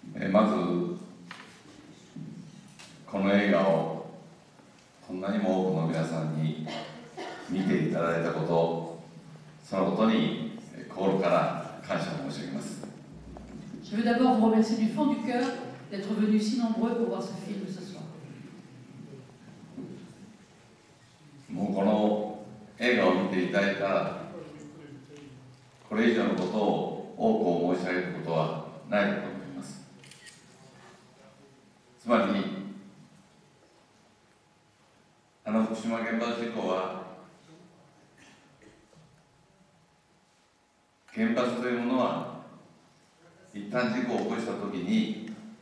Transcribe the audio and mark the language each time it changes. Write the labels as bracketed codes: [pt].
[ja] まずこの映画をこんなにも多くの皆さんに見ていただいたこと、そのことに心から感謝を申し上げます。 [fr] Je veux d'abord vous remercier du fond du cœur d'être venu si nombreux pour voir ce film ce soir。 [ja] もうこの映画を見ていただいたこれ以上のことを多く申し上げることはないと。つまり、あの福島原発事故は、原発というものは、一旦事故を起こしたときに、